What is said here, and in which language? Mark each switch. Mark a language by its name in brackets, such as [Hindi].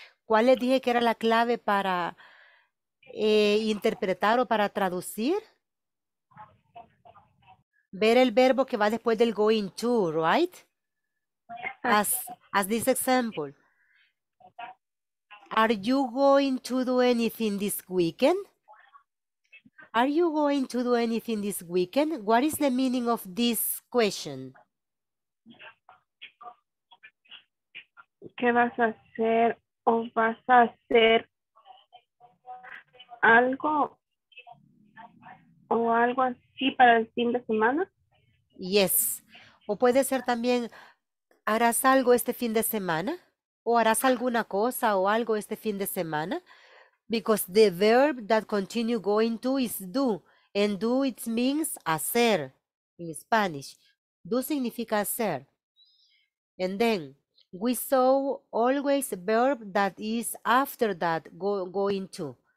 [Spanish] ¿Cuál les dije que era la clave para interpretar o para traducir? Ver el verbo que va después del [English] going to, right? As this example. Are you going to do anything this weekend? Are you going to do anything this weekend? What is the meaning of this question? [Spanish] ¿Qué vas a hacer o vas a hacer algo o algo así para el fin de semana? [English] Yes. [Spanish] O puede ser también, ¿harás algo este fin de semana? ¿O harás alguna cosa o algo este fin de semana? [English] Because the verb that continue going to is do. And do, it means [Spanish] hacer in Spanish. Do significa hacer. [English] And then, we saw always a verb that is after that, going to.